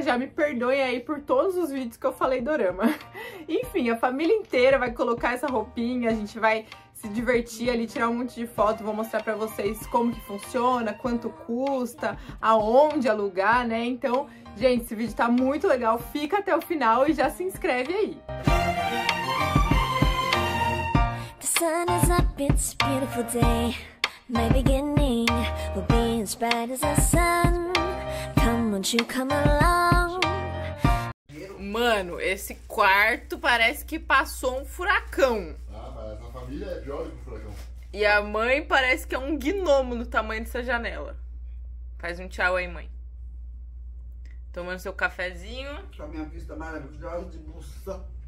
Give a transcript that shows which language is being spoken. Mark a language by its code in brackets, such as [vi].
[pt] Já me perdoem aí por todos os vídeos que eu falei dorama. Enfim, a família inteira vai colocar essa roupinha, a gente vai se divertir ali, tirar um monte de foto, vou mostrar pra vocês como que funciona, quanto custa, aonde alugar, né? Então, gente, esse vídeo tá muito legal, fica até o final e já se inscreve aí. [en] The sun is up, it's a beautiful day. My beginning will be as bright as the sun. Come, won't you come along? [pt] Mano, esse quarto parece que passou um furacão. Ah, mas essa família é pior do que o furacão. E a mãe parece que é um gnomo no tamanho dessa janela. Faz um tchau aí, mãe. Tomando seu cafezinho. Essa minha vista maravilhosa de moça.